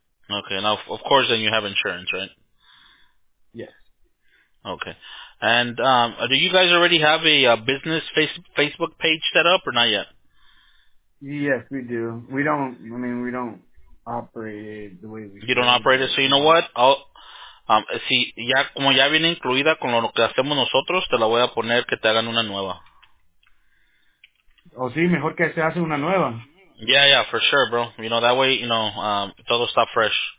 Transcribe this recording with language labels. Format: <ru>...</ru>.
<en>Okay, now, of course, then you have insurance, right? Yes. Okay. And, do you guys already have a business Facebook page set up or not yet? Yes, we do. We don't, I mean, we don't operate it the way we do. You don't operate it, so you know what?</en> <es>Si ya, como ya viene incluida con lo que hacemos nosotros, te la voy a poner que te hagan una nueva. Oh, sí, mejor que se hace una nueva.</es> <en>Yeah, for sure, bro. You know, that way, you know,</en> <es>todo está</es> <en>fresh.</en>